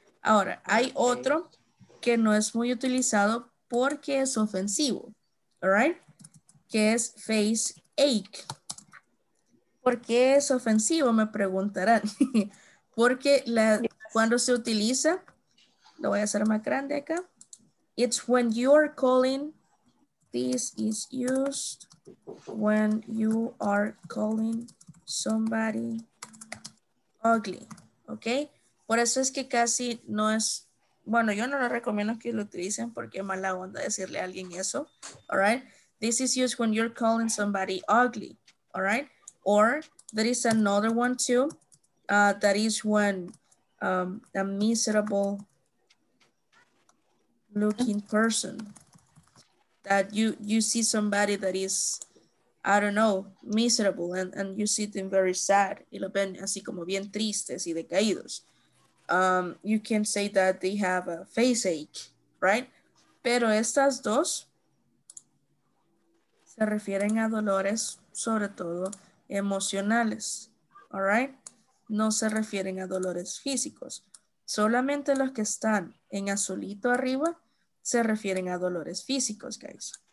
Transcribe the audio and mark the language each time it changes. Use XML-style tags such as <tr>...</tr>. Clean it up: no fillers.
<es>Ahora, hay otro que no es muy utilizado porque es ofensivo,</es> <en>all right?</en> <es>Que es face ache. ¿Por qué es ofensivo? Me preguntarán. Porque la, cuando se utiliza, lo voy a hacer más grande acá.</es> <en>It's when you are calling. This is used when you are calling somebody ugly.</en> <es>¿Ok? Por eso es que casi no es, bueno, yo no lo recomiendo que lo utilicen porque es mala onda decirle a alguien eso.</es> <en>All right? This is used when you're calling somebody ugly. All right? Or there is another one too. That is when a miserable looking person, that you see somebody that is, I don't know, miserable, and you see them very sad,</en> <es>y lo ven así como bien tristes y decaídos.</es> <en>You can say that they have a face ache, right?</en> <es>Pero estas dos se refieren a dolores, sobre todo emocionales,</es> <en>all right?</en> <es>No se refieren a dolores físicos. Solamente los que están en azulito arriba se refieren a dolores físicos, guys.</es>